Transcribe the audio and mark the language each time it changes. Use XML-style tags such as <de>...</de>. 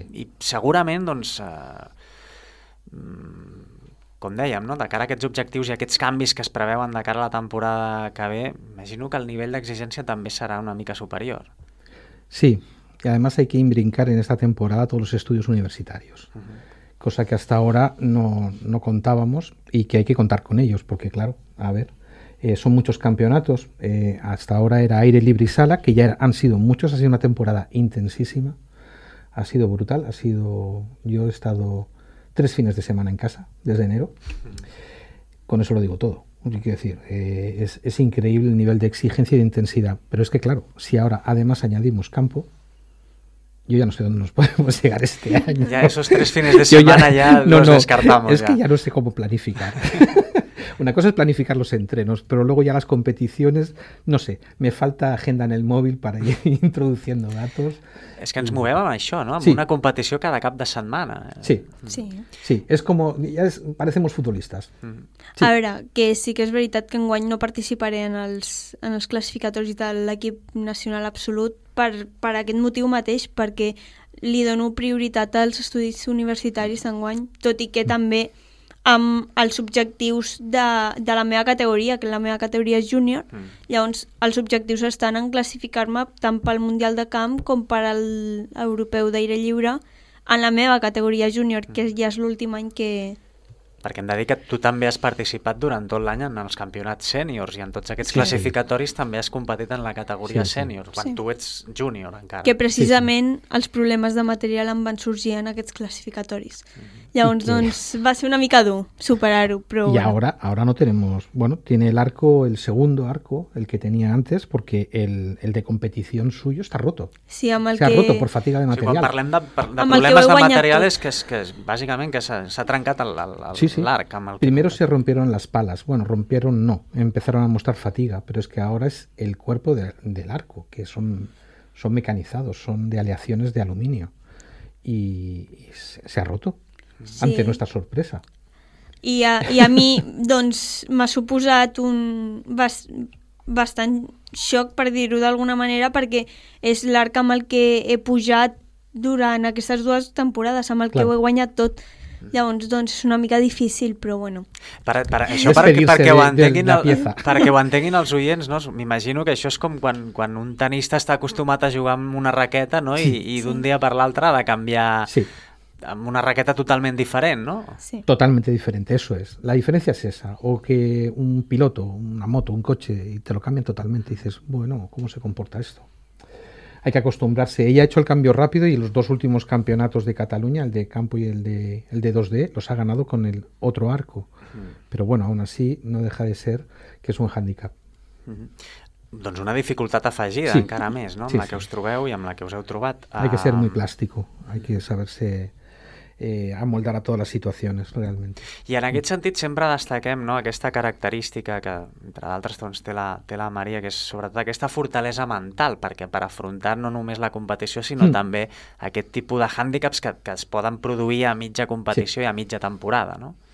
<ca>I segurament, doncs, com dèiem, no?, de cara a aquests objectius i aquests canvis que es preveuen de cara a la temporada que ve, imagino que el nivell d'exigència també serà una mica superior.</ca> <es>Sí, y además hay que imbrincar en esta temporada todos los estudios universitarios, cosa que hasta ahora no contábamos y que hay que contar con ellos, porque claro, a ver, son muchos campeonatos, hasta ahora era aire libre y sala, que ya han sido muchos, ha sido una temporada intensísima, ha sido brutal, yo he estado 3 fines de semana en casa, desde enero, con eso lo digo todo. Quiero decir, es increíble el nivel de exigencia y de intensidad, pero es que claro, si ahora además añadimos campo, yo ya no sé dónde nos podemos llegar este año. Ya esos 3 fines de semana ya los descartamos. Es que ya no sé cómo planificar. Una cosa es planificar los entrenos, pero luego ya las competiciones, no sé, me falta agenda en el móvil para ir introduciendo datos.</es> <ca>Es que ens movem amb això, no? Amb una competició cada cap de setmana.</ca> <es>Sí, sí, es como, ya parecemos futbolistas.</es> <ca>Sí. A veure, que sí que és veritat que enguany no participaré en els classificatoris de l'equip nacional absolut per aquest motiu mateix, perquè li dono prioritat als estudis universitaris enguany, tot i que també amb els objectius de la meva categoria, que la meva categoria és júnior, llavors els objectius estan en classificar-me tant pel Mundial de Camp com per l'Europeu d'Aire Lliure en la meva categoria júnior, que ja és l'últim any que... Perquè hem de dir que tu també has participat durant tot l'any en els campionats sèniors i en tots aquests classificatoris també has competit en la categoria sèniors, quan tu ets júnior encara. Que precisament els problemes de material em van sorgir en aquests classificatoris. Llavors, doncs, va ser una mica dur superar-ho, però...</ca> <es>I ara no tenemos... Bueno, tiene el arco, el segundo arco, el que tenía antes, porque el de competición suyo está roto.</es> <ca>Sí, amb el</ca> <es>que... Está roto por fatiga de material.</es> <ca>Sí, quan parlem de problemes de material és que bàsicament que s'ha trencat l'arc.</ca> <es>Primero se rompieron las palas. Bueno, rompieron no. Empezaron a mostrar fatiga, pero es que ahora es el cuerpo del arco, que son mecanizados, son de aleaciones de aluminio. Y se ha roto. Sí. Ante nuestra sorpresa.</es> <ca>I a mi, doncs, m'ha suposat un bastant xoc, per dir-ho d'alguna manera, perquè és l'arc amb el que he pujat durant aquestes dues temporades, amb el que ho he guanyat tot. Llavors, doncs, és una mica difícil, però bueno. Perquè ho entenguin els oients, no? M'imagino que això és com quan un tenista està acostumat a jugar amb una raqueta, no? I d'un dia per l'altre ha de canviar... Sí. Amb una raqueta totalment diferent, no? Sí.</ca> <es>Totalmente diferente, eso es. La diferencia es esa. O que un piloto, una moto, un coche, y te lo cambian totalmente. Y dices, bueno, ¿cómo se comporta esto? hay que acostumbrarse. Ella ha hecho el cambio rápido y los dos últimos campeonatos de Cataluña, el de campo y el de 2D, los ha ganado con el otro arco. Pero bueno, aún así no deja de ser que és un hàndicap.</es> <ca>Doncs una dificultat afegida, sí, encara més, no? Amb sí, la que us trobeu i amb la que us heu trobat.</ca> <es>Hay que ser muy plástico, hay que saberse amoldar a todas las situaciones, realmente.</es> <ca>I en aquest sentit sempre destaquem, no?, aquesta característica que, entre d'altres, doncs, té la Maria, que és sobretot aquesta fortalesa mental, perquè per afrontar no només la competició, sinó també aquest tipus de hàndicaps que es poden produir a mitja competició, sí, i a mitja temporada, no?</ca>